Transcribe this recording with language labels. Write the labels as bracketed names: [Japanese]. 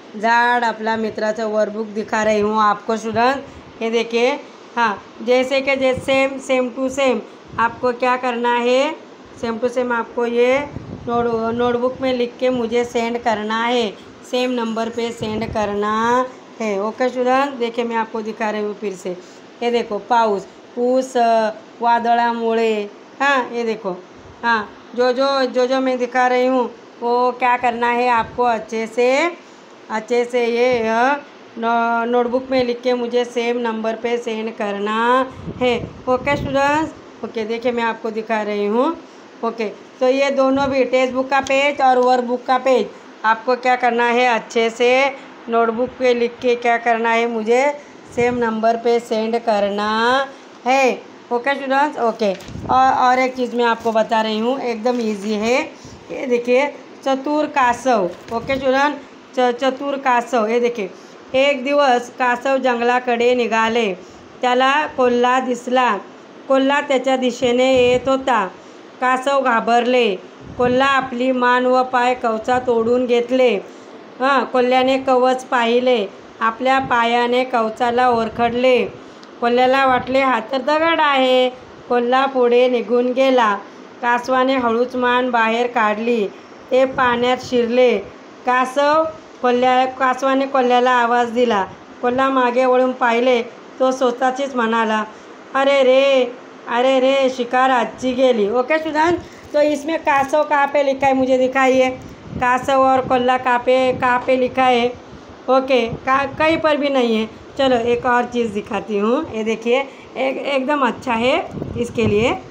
[Hindi] झाड़ अपना मित्राचं वर्कबुक दिखा रही हूँ आपको स्टूडेंट, ये देखिए. हाँ जैसे के जैसे सेम टू सेम आपको क्या करना है, सेम टू सेम आपको ये नोटबुक में लिख के मुझे सेंड करना है, सेम नंबर पे सेंड करना है. ओके स्टूडेंट, देखिए मैं आपको दिखा रही हूँ फिर से. ये देखो पाउस, ऊस, वादळामुळे. हाँ ये देखो, हाँ जो मैं दिखा रही हूँ वो क्या करना है आपको अच्छे से ये नोटबुक में लिख के मुझे सेम नंबर पे सेंड करना है. ओके स्टूडेंट्स, ओके देखिए मैं आपको दिखा रही हूँ. ओके, तो ये दोनों भी टेक्स्ट बुक का पेज और वर्कबुक का पेज आपको क्या करना है, अच्छे से नोटबुक पे लिख के क्या करना है, मुझे सेम नंबर पे सेंड करना है. ओके स्टूडेंट्स, ओके और एक चीज़ मैं आपको बता रही हूँ, एकदम ईजी है. ये देखिए चतुर कासव. ओके स्टूडेंट, चतुर कासव, ये देखिए. [Marathi] एक दिवस कासव जंगलाकडे निघाले, त्याला कोल्हा दिसला, कोल्हा त्याच्या दिशेने येत होता. कासव घाबरले, कोल्हा आपली मान व पाय कवचात ओढून घेतले. हां कोल्ह्याने कवच पाहिले, आपल्या पायाने कवचाला ओरखडले. कोल्ह्याला वाटले हा तर दगड आहे. कोल्हा पुढे निघून गेला, कासवाने हळूच मान बाहेर काढली, ते पाण्यात शिरले. कासवाने कोल्ह्याला आवाज दिला. कोल्हा मागे वळून पाहिले, तो स्वतःचीच म्हणाला, अरे रे शिकार अच्छी गेली। [Hindi] ओके सुधांश, तो इसमें कासव कहाँ पे लिखा है मुझे दिखाइए, कासव और कोल्ला कहाँ पे लिखा है। ओके कहीं पर भी नहीं है। चलो एक और चीज़ दिखाती हूँ, ये देखिए एकदम अच्छा है इसके लिए।